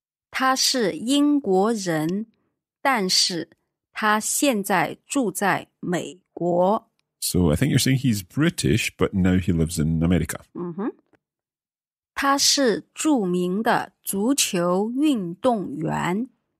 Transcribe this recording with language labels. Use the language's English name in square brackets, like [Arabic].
[Chinese] 他是英国人，但是他现在住在美国。 [English] So I think you're saying he's British, but now he lives in America. [Chinese] 他是著名的足球运动员。